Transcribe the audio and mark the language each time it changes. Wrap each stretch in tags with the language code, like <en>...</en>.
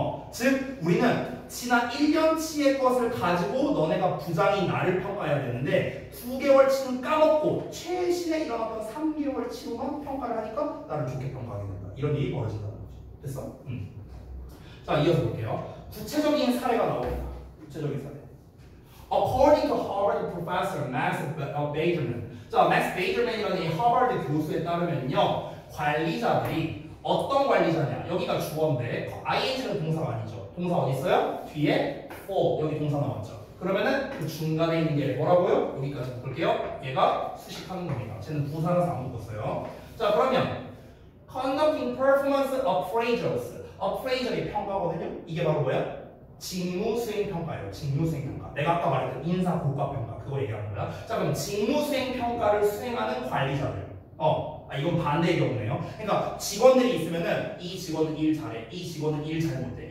<ko>즉 우리는 지난 1년치의 것을 가지고 너네가 부장이 나를 평가해야 되는데, 9개월치는 까먹고 최신에 일어났던 3개월치로만 평가를 하니까 나를 좋게 평가하게 된다. 이런 일이 벌어진다는 거지. 됐어? 자, 이어서 볼게요. 구체적인 사례가 나옵니다. 구체적인 사례.</ko> <en>According to Harvard professor Max Bagerman.</en> <ko>자, Max Bagerman이라는 Harvard 교수에 따르면요, 관리자들이 어떤 관리자냐, 여기가 주어인데 ing는 동사가 아니죠. 동사 어디 있어요? 뒤에 for, 여기 동사 나왔죠. 그러면은 그 중간에 있는 게 뭐라고요? 여기까지 볼게요. 얘가 수식하는 겁니다. 쟤는 부사라서 안 묶었어요. 자, 그러면</ko> <en>conducting performance appraisals.</en> <ko>appraisal이 평가거든요. 이게 바로 뭐야? 직무수행평가예요. 직무수행평가. 내가 아까 말했던 인사고과평가 그거 얘기하는 거야. 자, 그럼 직무수행평가를 수행하는 관리자들. 이건 반대의 경우네요. 그러니까 직원들이 있으면은 이 직원은 일 잘해, 이 직원은 일 잘못해.</ko>